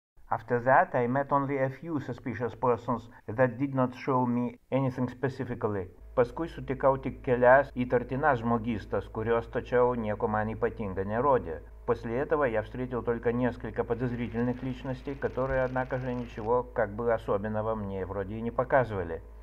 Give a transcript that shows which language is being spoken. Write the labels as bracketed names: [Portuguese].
[English] After that, I met only a few suspicious persons that did not show me anything specifically. [Lithuanian] Paskui sutikau tik kelias įtartinas žmogystas, kurios tačiau nieko man ypatingo nerodė. [Russian] После этого я встретил только несколько подозрительных личностей, которые, однако же, ничего как бы особенного мне вроде и не показывали.